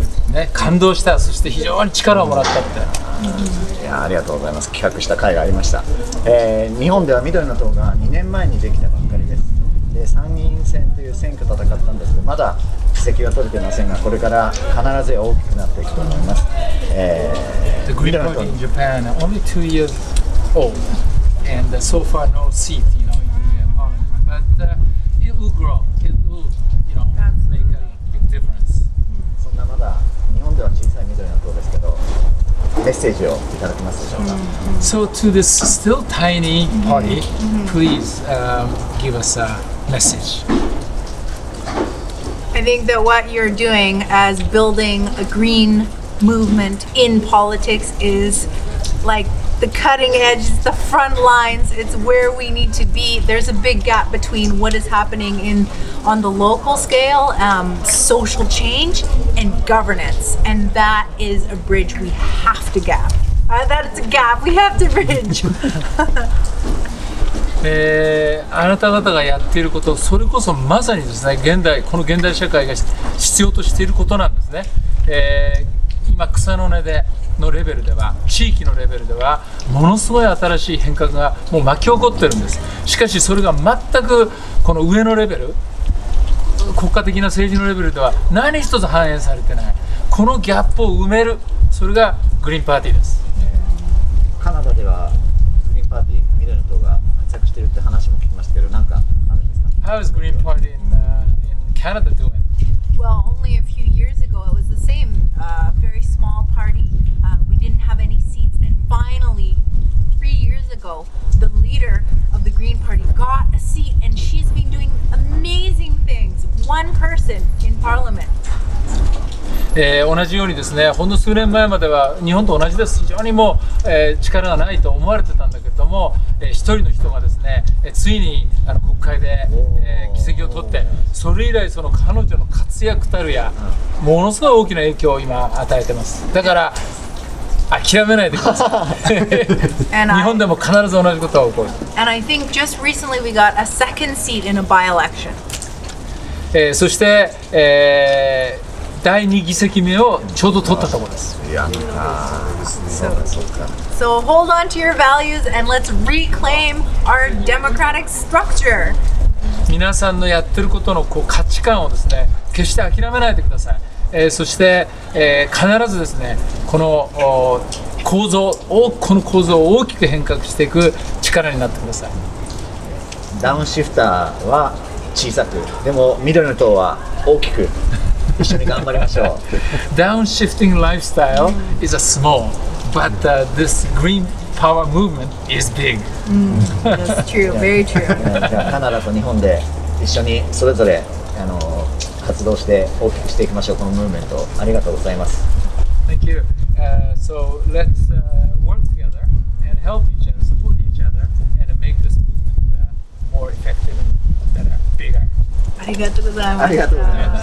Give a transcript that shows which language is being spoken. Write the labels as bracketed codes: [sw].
[ja] ね、感動した、そして非常に力をもらったって、うん、いやありがとうございます。企画した甲斐がありました。日本では緑の党が2年前にできたばっかりです。で参議院選という選挙戦ったんですけど、まだ議席は取れていませんが、これから必ず大きくなっていくと思います。 [en] The Green Party in Japan is only 2 years old and so far no seat, you know, in the parliament, but it will growSo to this still tiny party, please give us a message. I think that what you're doing as building a green movement in politics is like the cutting edge, the front lines, it's where we need to be. There's a big gap between what is happening in, on the local scale, social change, and governance. And that is a bridge we have to gap. [ja] あなた方がやっていること、それこそまさにですね、現代、この現代社会が必要としていることなんですね。今草の根でのレベルでは、地域のレベルではものすごい新しい変革がもう巻き起こってるんです。しかしそれが全くこの上のレベル、国家的な政治のレベルでは何一つ反映されてない。このギャップを埋める、それがグリーンパーティーです。カナダではグリーンパーティー、緑の党が活躍しているって話も聞きましたけど、なんかあるんですか？ [en] How is Green Party in Canada doing? Well, only a few years ago it was the same, very small party. We didn't have any seats, and finally, 3 years ago, the leader of the Green Party got a seat, and she's been doing amazing things. One person in Parliament. [ja] 同じようにですね、ほんの数年前までは日本と同じです、非常にもう、力がないと思われてたんだけども、一人の人がですね、ついにあの国会で、議席を取って、それ以来その彼女の活躍たるや、ものすごい大きな影響を今与えてます。だから諦めないでください。日本でも必ず同じことが起こる。 [en] And I think just recently we got a second seat in a by-election. [ja] そして、第2議席目をちょうど取ったところです。 [en] So hold on to your values and let's reclaim our democratic structure. [ja] 皆さんのやってることのこう価値観をですね、決して諦めないでください。そして、必ずですね、この構造、この構造を大きく変革していく力になってください。ダウンシフターは小さく、でも緑の党は大きく。 [en] Downshifting lifestyle is a small, but this green power movement is big. That's true, very true. [ja] カナダと日本で一緒にそれぞれ活動して大きくしていきましょう。このムーブメント、ありがとうございます。 [en] Thank you. So let's work together and help each other, support each other, and make this movement more effective and better, bigger. [ja] ありがとうございます。ありがとうございます。